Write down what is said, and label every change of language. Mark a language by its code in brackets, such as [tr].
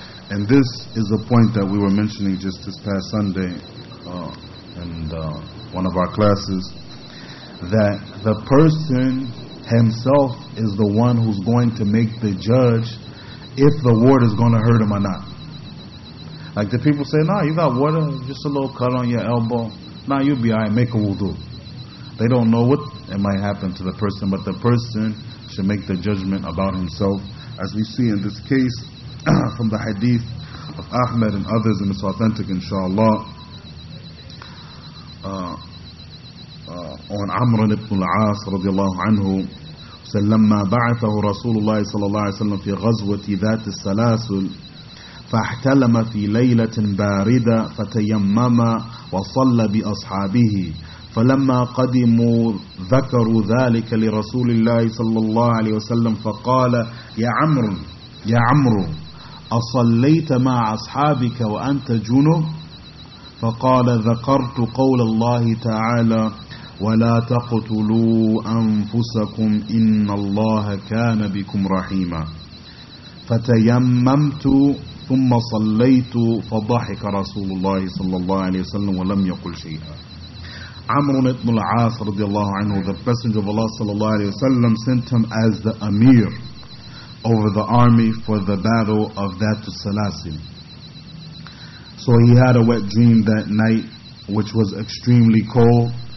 [en] And this is a point that we were mentioning just this past Sunday in one of our classes, that the person himself is the one who's going to make the judge if the water is going to hurt him or not. Like the people say, "Nah, you got water, just a little cut on your elbow, Now you'll be alright, make a wudu. They don't know what it might happen to the person, but the person should make the judgment about himself. As we see in this case from the hadith of Ahmed and others, and it's authentic inshaAllah, on Amr ibn al-As radiallahu anhu, [ar] لما بعثه رسول الله صلى الله عليه وسلم في غزوة ذات السلاسل فاحتلم في ليلة باردة فتيمم وصلى بأصحابه فلما قدموا ذكروا ذلك لرسول الله صلى الله عليه وسلم فقال يا عمرو أصليت مع أصحابك وأنت جنب فقال ذكرت قول الله تعالى ولا تقتلوا أنفسكم إن الله كان بكم رحيما فتيممت ثم صليت فضحك رسول الله صلى الله عليه وسلم ولم يقل شيئا. عمر بن العاص رضي الله عنه, [en] the messenger of Allah [ar] صلى الله عليه وسلم, [en] sent him as the Amir over the army for the battle of that Salasim. So he had a wet dream that night, which was extremely cold.